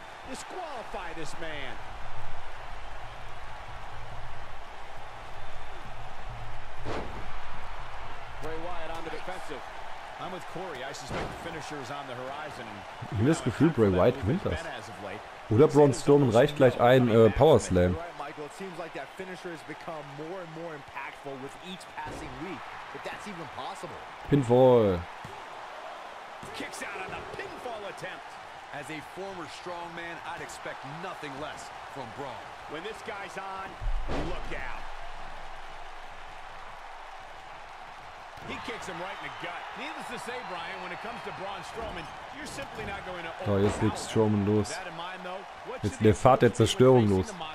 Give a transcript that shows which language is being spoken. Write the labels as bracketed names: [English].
[English] Disqualify this man. Bray Wyatt on the defensive. I'm with Corey. I suspect the finisher is on the horizon. [German] Ich habe das Gefühl, Bray Wyatt gewinnt das. Oder Braun Strowman reicht gleich ein Power Slam. [English] It seems like that finisher has become more and more impactful with each passing week. If that's even possible. Pinfall. Kicks out on the pinfall attempt. As a former strongman, I'd expect nothing less from Braun. When this guy's on, look out. He kicks him right in the gut. Needless to say, Brian, when it comes to Braun Strowman, you're simply not going to... [German] Da, jetzt liegt Strowman los. Jetzt der Pfad der Zerstörung los.